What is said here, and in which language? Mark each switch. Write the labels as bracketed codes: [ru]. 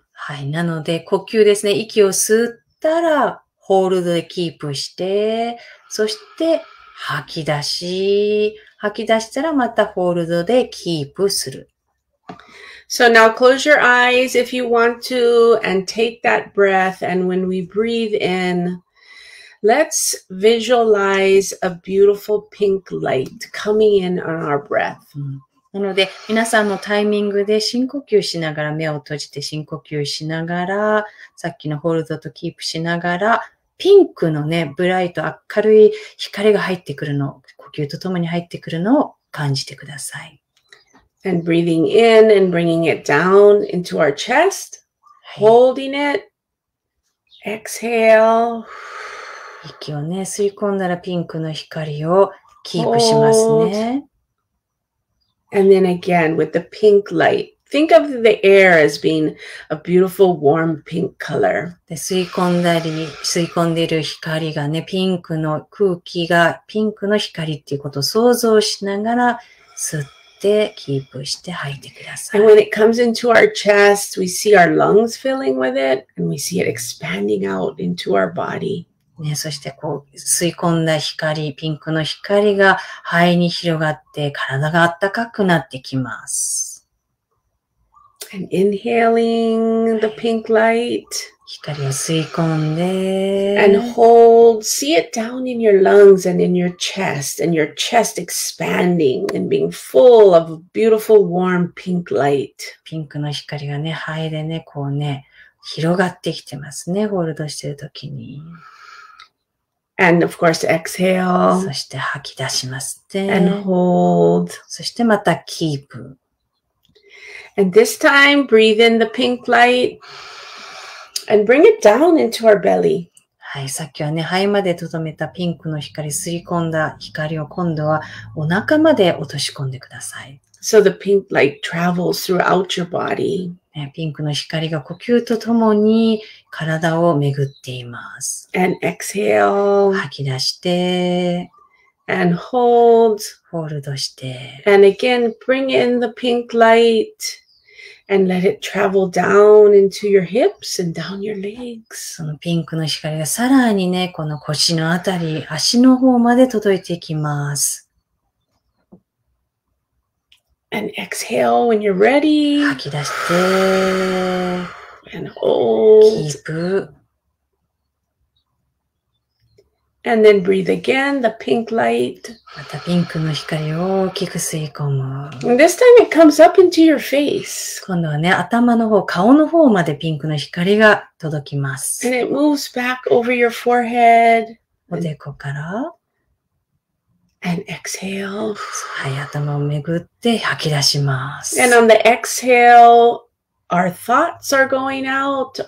[ja] はい、なので呼吸ですね。息を吸ったら、ホールドでキープして、そして吐き出し、吐き出したらまたホールドでキープする。 [en] So now close your eyes if you want to, and take that breath. And when we breathe in, let's visualize a beautiful pink light coming in on our breath. [ja] なので、皆さんのタイミングで深呼吸しながら、目を閉じて深呼吸しながら、さっきのホールドとキープしながら、ピンクのね、ブライト、明るい光が入ってくるの、呼吸とともに入ってくるのを感じてください。 [en] And breathing in and bringing it down into our chest,、はい、holding it, exhale. [ja] 息をね、吸い込んだらピンクの光をキープしますね。 [en] Hold. And then again, with the pink light, think of the air as being a beautiful, warm pink color. [ja] で、吸い込んだり、吸い込んでいる光がね、ピンクの空気がピンクの光っていうことを想像しながら、吸って、キープして吐いてください。 [en] And when it comes into our chest, we see our lungs filling with it, and we see it expanding out into our body. [ja] ね、そしてこう吸い込んだ光、ピンクの光が肺に広がって体が暖かくなってきます。 [en] And inhaling the pink light. [ja] 光を吸い込んで。 [en] And hold, see it down in your lungs and in your chest, and your chest expanding and being full of beautiful warm pink light. [ja] ピンクの光がね、肺でね、こうね、広がってきてますね、ホールドしてるときに。 [en] And of course, exhale. [ja] そして吐き出します。 [en] And hold. [ja] そしてまた keep. [en] And this time, breathe in the pink light and bring it down into our belly. [ja] はい、さっきはね、肺まで留めたピンクの光、吸い込んだ光を今度はお腹まで落とし込んでください。 [en] So the pink light travels throughout your body. [ja] ピンクの光が呼吸とともに体を巡っています。 [en] And exhale. [ja] 吐き出して。 [en] And hold. [ja] ホールドして。 [en] And again, bring in the pink light and let it travel down into your hips and down your legs. [ja] そのピンクの光がさらにね、この腰のあたり、足の方まで届いていきます。 [en] And exhale when you're ready. [ja] 吐き出して。 [en] And hold. Keep. And then breathe again, the pink light. [ja] またピンクの光を大きく吸い込む。 [en] And this time it comes up into your face. [ja] 今度はね、頭の方、顔の方までピンクの光が届きます。 [en] And it moves back over your forehead. [ja] おでこから。 [en] And exhale. [ja] はい、頭をめぐって吐き出します。 [en] And on the exhale,Our thoughts are going out.